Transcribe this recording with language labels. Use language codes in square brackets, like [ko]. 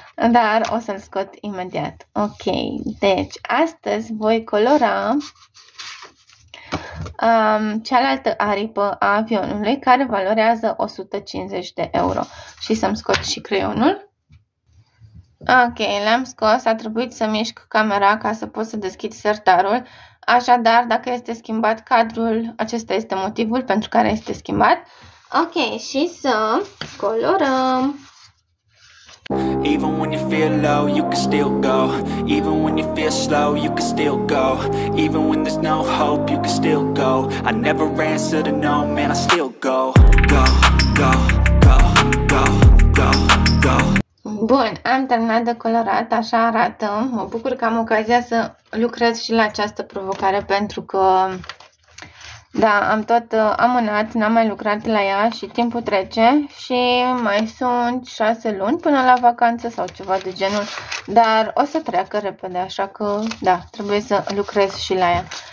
[ro] Dar o să-l scot imediat. Ok, deci astăzi voi colora cealaltă aripă a avionului, care valorează 150 de euro. Și să-mi scot și creionul. Ok, l-am scos. A trebuit să mișc camera ca să pot să deschid sertarul. Așadar, dacă este schimbat cadrul, acesta este motivul pentru care este schimbat. Ok, și să colorăm. [en] Even when you feel low, you can still go. Even when you feel slow, you can still go. Even when there's no hope, you can still go. I never answer to no, man, I still go. Go, go, go, go, go, go. [ro] Bun, am terminat de colorat, așa arată. Mă bucur că am ocazia să lucrez și la această provocare pentru că, da, am tot amânat, n-am mai lucrat la ea și timpul trece și mai sunt 6 luni până la vacanță sau ceva de genul, dar o să treacă repede, așa că, da, trebuie să lucrez și la ea.